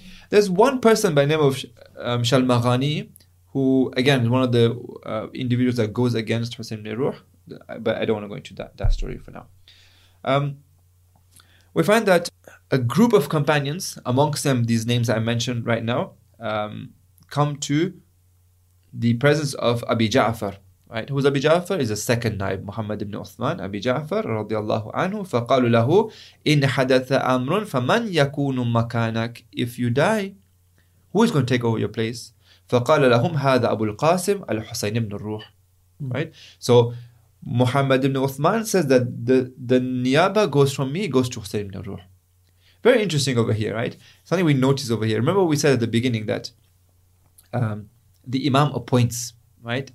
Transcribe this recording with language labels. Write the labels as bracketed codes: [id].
[en] There's one person by the name of Shalmaghani, who, again, is one of the individuals that goes against Hussein ibn Ruh, but I don't want to go into that story for now. We find that a group of companions, amongst them these names I mentioned right now, come to the presence of Abi Ja'far. Right? Who's Abi Ja'far? He's a second naib, Muhammad ibn Uthman. [ar] Abi Ja'far, radiallahu anhu, فَقَالُوا لَهُ إِنْ حَدَثَ أَمْرٌ فَمَنْ يَكُونُ مَكَانَكَ. [en] If you die, who is going to take over your place? [ar] فَقَالَ لَهُمْ هَذَا أَبُو الْقَاسِمِ الْحُسَيْنِ بْنُ الرُّوحِ. [en] Right? So Muhammad ibn Uthman says that the niyaba goes from me, goes to Hussein ibn Ruh. Very interesting over here, right? Something we notice over here. Remember we said at the beginning that the imam appoints, right?